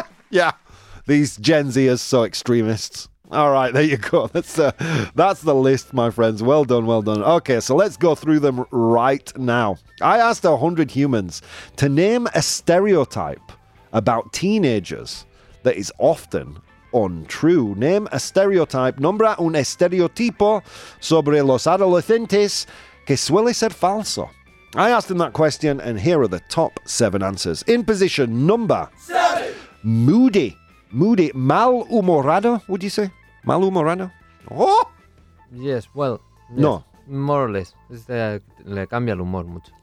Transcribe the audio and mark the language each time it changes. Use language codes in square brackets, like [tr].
[en] Yeah, these Gen Zers so extremists. All right, there you go. That's the list, my friends. Well done, well done. Okay, so let's go through them right now. I asked 100 humans to name a stereotype about teenagers that is often untrue. Name a stereotype. [es] Nombra un estereotipo sobre los adolescentes que suele ser falso. [en] I asked him that question, and here are the top seven answers. In position number seven. Moody. Moody. Malhumorado, would you say? Malhumorado? Oh! Yes, well. Yes. No. More or less. [es] Le cambia el humor mucho.